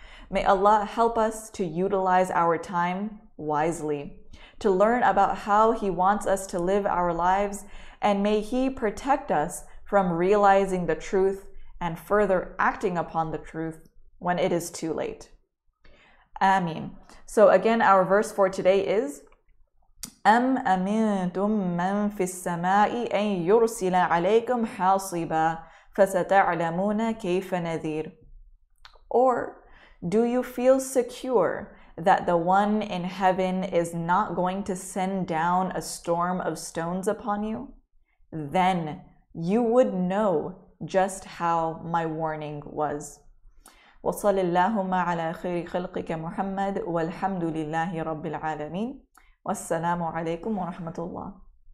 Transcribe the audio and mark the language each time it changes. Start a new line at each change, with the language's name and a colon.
English: May Allah help us to utilize our time wisely, to learn about how He wants us to live our lives, and may He protect us from realizing the truth and further acting upon the truth when it is too late. Ameen. So again, our verse for today is,
Arabic: أَمْ أَمِنْتُمْ مَنْ فِي السَّمَاءِ أَنْ يُرْسِلَ عَلَيْكُمْ حَاصِبًا فَسَتَعْلَمُونَ كَيْفَ نَذِيرٌ.
English: Or, do you feel secure that the one in heaven is not going to send down a storm of stones upon you? Then you would know just how my warning was.
Arabic: وصلى اللهم على خير خلقك محمد والحمد لله رب العالمين والسلام عليكم ورحمة الله.